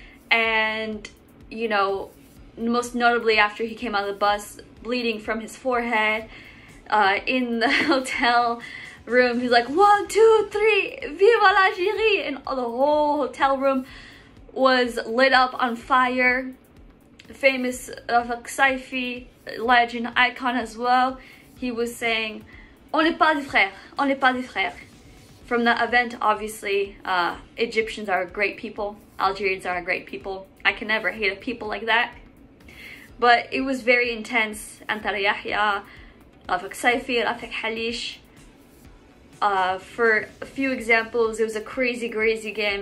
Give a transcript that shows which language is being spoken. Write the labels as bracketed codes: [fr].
[en] And, you know, most notably after he came out of the bus, bleeding from his forehead, in the hotel room, he's like, 1, 2, 3, [fr] vive l'Algérie! [en] And the whole hotel room was lit up on fire. Famous Rafik Saifi, legend, icon as well. [fr] He was saying, on n'est pas des frères, on n'est pas des frères. [en] From that event, obviously, Egyptians are great people. Algerians are great people. I can never hate a people like that. But it was very intense. Antar Yahya, Rafik Saifi, Rafik Halish. For a few examples, it was a crazy, crazy game.